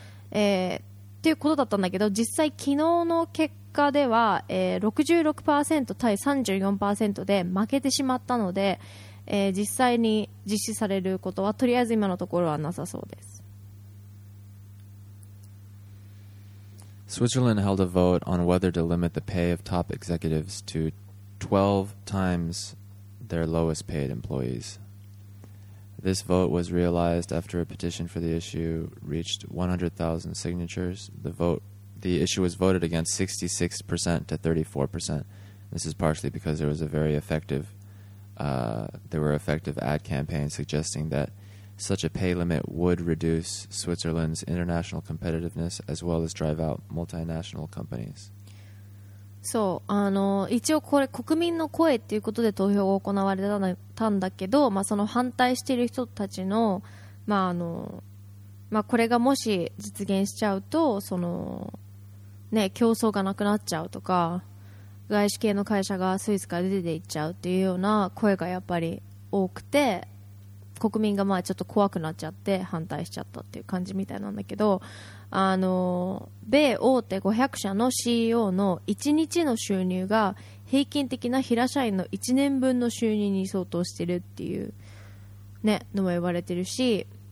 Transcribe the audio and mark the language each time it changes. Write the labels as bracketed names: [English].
[Japanese] ということだったんだけど、実際昨日の結果では、66% 対 34% で負けてしまったので、実際に実施されることはとりあえず今のところはなさそうです。 [English] Switzerland held a vote on whether to limit the pay of top executives to 12 times their lowest paid employees. This vote was realized after a petition for the issue reached 100,000 signatures. The issue was voted against 66% to 34%. This is partially because there was a very effective, there were effective ad campaigns suggesting that such a pay limit would reduce Switzerland's international competitiveness as well as drive out multinational companies. [Japanese] そう、一応これ国民の声っていうことで投票が行われたんだけど、まあ、その反対している人たちの、これがもし実現しちゃうと、その、ね、競争がなくなっちゃうとか、外資系の会社がスイスから出ていっちゃうっていうような声がやっぱり多くて、国民がまあちょっと怖くなっちゃって反対しちゃったっていう感じみたいなんだけど、米大手500社の CEO の1日の収入が平均的な平社員の1年分の収入に相当してるっていう、ね、のも言われてるし、